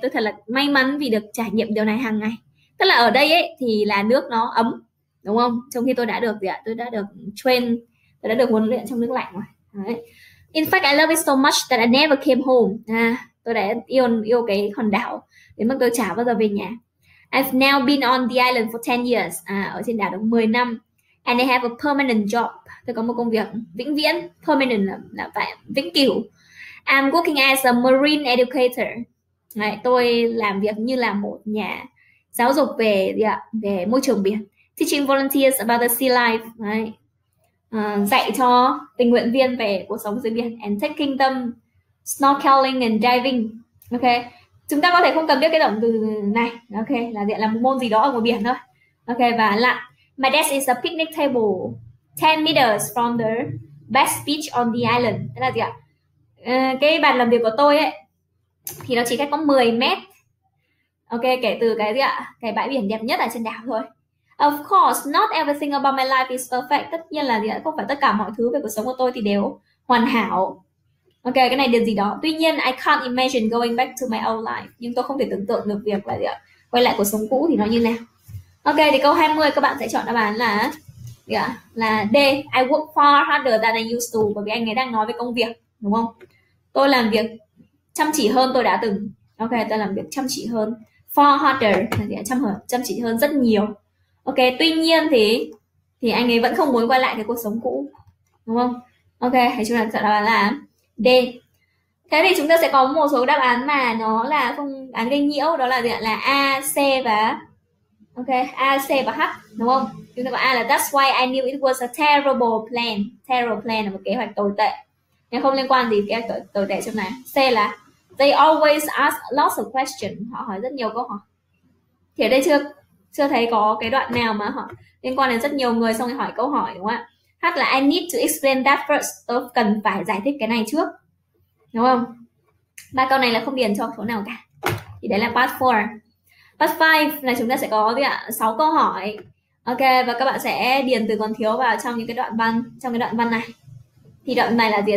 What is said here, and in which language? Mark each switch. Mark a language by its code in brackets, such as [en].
[vi] Tôi thật là may mắn vì được trải nghiệm điều này hàng ngày. Tức là ở đây ấy thì là nước nó ấm, đúng không? Trong khi tôi đã được gì ạ? Tôi đã được train, tôi đã được huấn luyện trong nước lạnh rồi. Đấy. [en] In fact, I love it so much that I never came home. [vi] À, tôi đã yêu yêu cái hòn đảo đến mức tôi chả bao giờ về nhà. [en] I've now been on the island for 10 years. [vi] À, ở trên đảo được 10 năm. [en] And I have a permanent job. [vi] Tôi có một công việc vĩnh viễn. Permanent là phải vĩnh cửu. [en] I'm working as a marine educator. [vi] Đấy, tôi làm việc như là một nhà giáo dục về về môi trường biển. [en] Teaching volunteers about the sea life. [vi] Đấy. Dạy cho tình nguyện viên về cuộc sống dưới biển [en] and taking them snorkeling and diving. [vi] Ok, chúng ta có thể không cần biết cái động từ này. Ok, là diện là một môn gì đó ở ngoài biển thôi. Ok, và lặn. [en] My desk is a picnic table 10 meters from the best beach on the island. [vi] Thế là gì ạ? Cái bàn làm việc của tôi ấy thì nó chỉ cách có 10 mét. Ok, kể từ cái gì ạ? Cái bãi biển đẹp nhất ở trên đảo thôi. [en] Of course, not everything about my life is perfect. [vi] Tất nhiên là gì ạ? Không phải tất cả mọi thứ về cuộc sống của tôi thì đều hoàn hảo. Ok, cái này điều gì đó. Tuy nhiên, [en] I can't imagine going back to my old life. [vi] Nhưng tôi không thể tưởng tượng được việc là gì ạ? Quay lại cuộc sống cũ thì nó như nào. Ok, thì câu 20 các bạn sẽ chọn đáp án là là D. [en] I work far harder than I used to. [vi] Bởi vì anh ấy đang nói về công việc, đúng không? Tôi làm việc chăm chỉ hơn tôi đã từng. Ok, tôi làm việc chăm chỉ hơn. Far harder, chăm chỉ hơn rất nhiều. Ok, tuy nhiên thì anh ấy vẫn không muốn quay lại cái cuộc sống cũ, đúng không? Ok, hãy chúng ta chọn đáp án là D. Thế thì chúng ta sẽ có một số đáp án mà nó là không án gây nhiễu, đó là gì ạ? Là A, C và Ok, A, C và H, đúng không? Chúng ta có A là [en] That's why I knew it was a terrible plan. [vi] Terrible plan là một kế hoạch tồi tệ. Nên không liên quan gì kế hoạch tồi tệ trong này. C là [en] They always ask lots of questions. [vi] Họ hỏi rất nhiều câu hỏi. Thì ở đây chưa chưa thấy có cái đoạn nào mà họ liên quan đến rất nhiều người xong rồi hỏi câu hỏi, đúng không ạ? H là [en] I need to explain that first. [vi] Tôi cần phải giải thích cái này trước, đúng không? Ba câu này là không điền cho số nào cả. Thì đấy là part 4. Part 5 là chúng ta sẽ có gì ạ? 6 câu hỏi. Ok, và các bạn sẽ điền từ còn thiếu vào trong những cái đoạn văn, trong cái đoạn văn này. Thì đoạn này là gì?